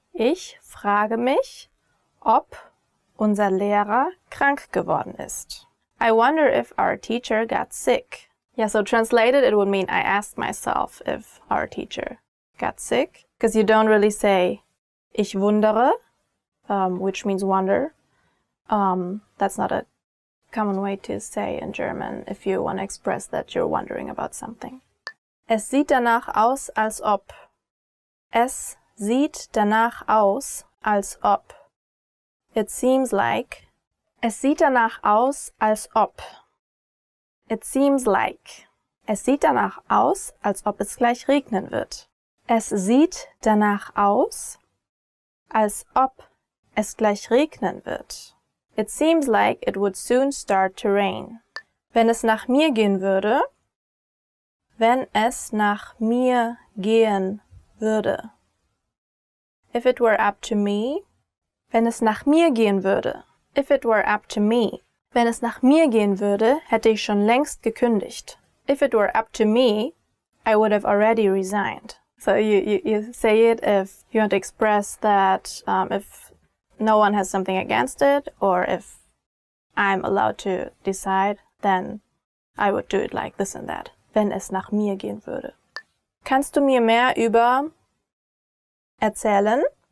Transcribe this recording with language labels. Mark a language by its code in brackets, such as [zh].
[de] Ich frage mich ob unser Lehrer krank geworden ist. [en] I wonder if our teacher got sick. Yeah, so translated, it would mean I asked myself if our teacher got sick. Because you don't really say [de] ich wundere, [en] which means wonder. That's not a common way to say in German if you want to express that you're wondering about something. [de] Es sieht danach aus, als ob. Es sieht danach aus, als ob. [en] It seems like. [de] Es sieht danach aus, als ob. [en] It seems like. [de] Es sieht danach aus, als ob es gleich regnen wird. Es sieht danach aus, als ob es gleich regnen wird. [en] It seems like it would soon start to rain. [de] Wenn es nach mir gehen würde. Wenn es nach mir gehen würde. [en] If it were up to me. [de] Wenn es nach mir gehen würde. [en] If it were up to me. [de] Wenn es nach mir gehen würde, hätte ich schon längst gekündigt. [en] If it were up to me, I would have already resigned. So you say it if you want to express that if no one has something against it, or if I'm allowed to decide, then I would do it like this and that. [de] Wenn es nach mir gehen würde. Kannst du mir mehr über erzählen?